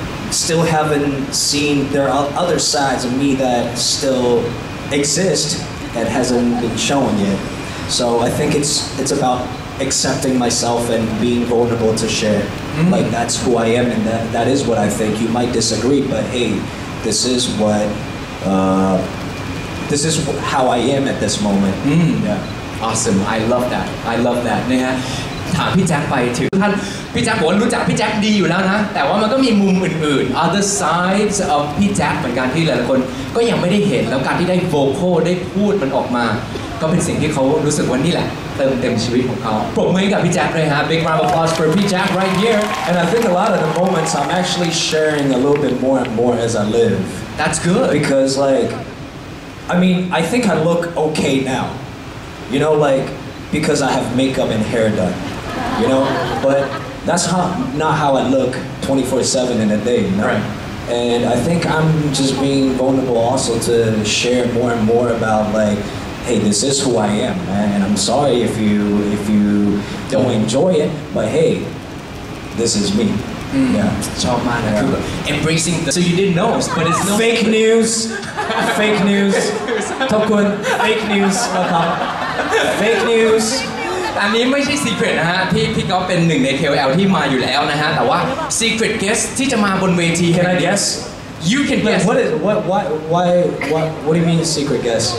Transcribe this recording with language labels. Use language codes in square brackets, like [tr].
[en] still haven't seen, there are other sides of me that still exist that hasn't been shown yet, so I think it's about accepting myself and being vulnerable to share. Like that's who I am and that is what I think. You might disagree, but hey, this is how I am at this moment. Awesome. I love that. [th] นะฮะถามพี่แจ็คไปถึงท่านพี่แจ็คบอกว่ารู้จักพี่แจ็คดีอยู่แล้วนะแต่ว่ามันก็มีมุมอื่นๆ [en] other sides of [th] พี่แจ็คเหมือนกันที่หลายๆคนก็ยังไม่ได้เห็นแล้วการที่ได้โวคอลได้พูดมันออกมาก็เป็นสิ่งที่เขารู้สึกว่านี่แหละเติมเต็มชีวิตของเขาปรบมือกับพี่แจ็คเลยฮะ [en] Big round of applause for พี่แจ็ค right here and I think a lot of the moments I'm actually sharing a little bit more and more as I live that's good because like I mean I think I look okay now you know like because I have makeup and hair done you know but that's not how I look 24/7 in a day you know? Right. And I think I'm just being vulnerable also to share more and more about like hey, this is who I am, man. And I'm sorry if you don't enjoy it, but hey, this is me. Embracing the... So you didn't know, but it's no... Fake news! Fake news! Top Kun, fake news! Fake news! [th] อันนี้ไม่ใช่ secret นะฮะที่พี่ก๊อฟเป็นหนึ่งใน KOL ที่มาอยู่แล้วนะฮะแต่ว่า secret guest ที่จะมาบนเวที [en] Can I guess? You can guess. Wait, what do you mean a secret guess?